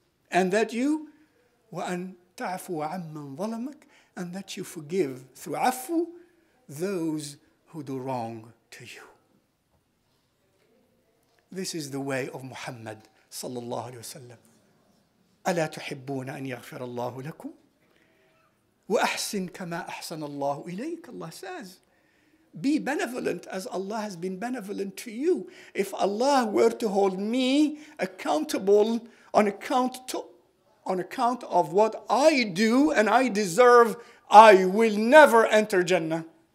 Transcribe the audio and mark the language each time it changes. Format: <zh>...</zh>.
<en>And that you,</en> <ar>وَأَن تَعْفُوَ عَمَّنْ ظَلَمَكَ,</ar> <en>and that you forgive through عَفُو those who do wrong to you. This is the way of Muhammad</en> <ar>صلى الله عليه وسلم. ألا تحبون أن يغفر الله لكم وأحسن كما أحسن الله إليك.</ar> <en>Allah says, be benevolent as Allah has been benevolent to you. If Allah were to hold me accountable on account of what I do and I deserve, I will never enter Jannah.</en>